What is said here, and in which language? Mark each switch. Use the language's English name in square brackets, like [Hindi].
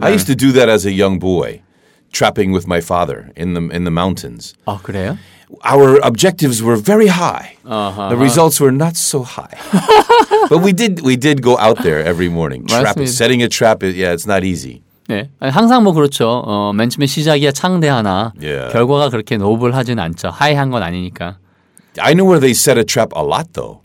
[English] 네, I used to do that as a young boy, trapping with my father in the mountains. [Korean] 아, 그래요? [English] Our objectives were very high. Uh-huh. The results were not so high. But we did go out there every morning. Setting a trap, yeah, it's not easy. [Korean] 네, 항상 뭐 그렇죠. 어, 맨 처음에 시작이야 창대하나 [English] yeah. [Korean] 결과가 그렇게 노블하진 않죠. 하이한 건 아니니까. [English] I know where they set a trap a lot, though.